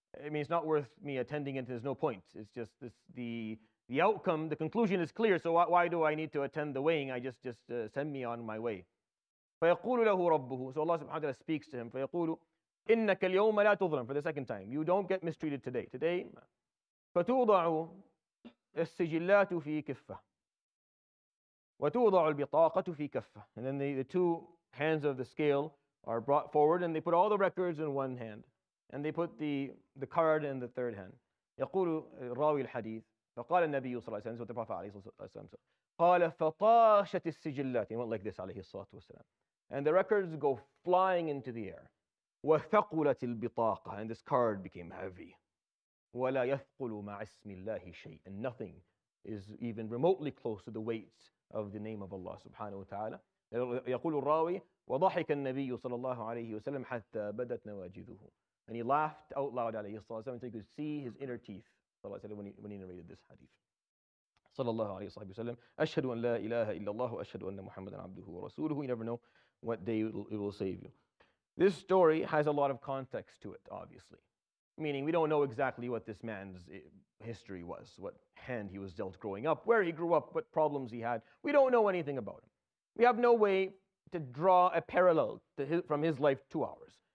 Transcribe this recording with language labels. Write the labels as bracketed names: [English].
[English] I mean, it's not worth me attending it. There's no point. It's just this, the outcome, the conclusion is clear. So why do I need to attend the weighing? I just send me on my way. [Arabic] فَيَقُولُ لَهُ رَبُّهُ. [English] So Allah subhanahu wa ta'ala speaks to him. [Arabic] فَيَقُولُ إِنَّكَ الْيَوْمَ لَا تُظْلَمْ. [English] For the second time, you don't get mistreated today. [Arabic] Today, فَتُوضَعُ السِّجِلَّاتُ فِي كَفَّةٍ وَتُوضَعُ الْبِطَاقَةُ فِي كَفَّةٍ. [English] And then the two hands of the scale are brought forward, and they put all the records in one hand, and they put the card in the third hand. [Arabic] يَقُولُ الرَّاوِي الْحَدِيثِ فَقَالَ النَّبِيُّ صَلَّى اللَّهُ عَلَيْهِ وَسَلَّمَ. [English] This is what the Prophet ﷺ said. [Arabic] قَالَ فَطَاشَتِ السِّجِلَّاتُ. [English] He went like this, عليه الصلاة والسلام. And the records go flying into the air. [Arabic] وَثَقُلَتِ الْبِطَاقَةِ. [English] And this card became heavy. [Arabic] وَلَا يَثْقُلُ مَعَ اسْمِ اللَّهِ شَيْءٍ. [English] And nothing is even remotely close to the weight of the name of Allah subhanahu wa ta'ala. [Arabic] يقول الراوي وَضَحِكَ النَّبِيُّ صَلَى اللَّهُ عَلَيْهِ وَسَلَّمْ حَتَّى بَدَتْ نَوَاجِذُهُ. [English] And he laughed out loud عليه الصلاة والسلام until he could see his inner teeth, when he narrated this hadith. [Arabic] صلى الله عليه وصحبه وسلم أشهد أن لا إله إلا الله وأشهد أن محمدًا عبده ورسوله. [English] You never know what day it will save you. This story has a lot of context to it, obviously. Meaning, we don't know exactly what this man's history was, what hand he was dealt growing up, where he grew up, what problems he had. We don't know anything about him. We have no way to draw a parallel from his life to ours.